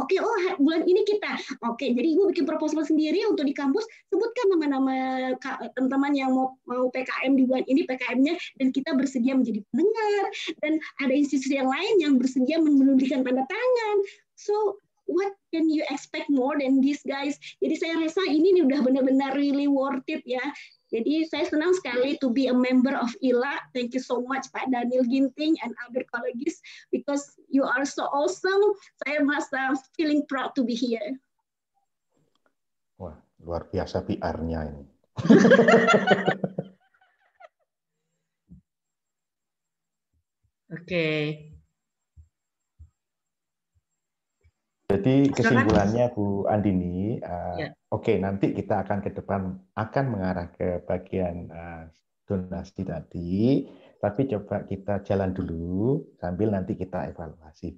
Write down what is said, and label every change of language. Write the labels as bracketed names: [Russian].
[Indonesian] Oke, oh bulan ini kita. Oke, jadi ibu bikin proposal sendiri untuk di kampus, sebutkan nama-nama teman-teman yang mau PKM di bulan ini, PKM-nya, dan kita bersedia menjadi pendengar, dan ada institusi yang lain yang bersedia menunjukkan tanda tangan. [English] So, what can you expect more than this, guys? [Indonesian] Jadi saya rasa ini nih udah benar-benar [English] really worth it [Indonesian] ya. Jadi saya senang sekali [English] to be a member of ILA. Thank you so much Pak Daniel Ginting and other colleagues because you are so awesome. [Indonesian] Saya merasa [English] feeling proud to be here. [Indonesian] Wah, luar biasa PR-nya ini. Oke. Okay. Jadi kesimpulannya Bu Andini, Oke, nanti kita akan ke depan akan mengarah ke bagian donasi tadi, tapi coba kita jalan dulu sambil nanti kita evaluasi.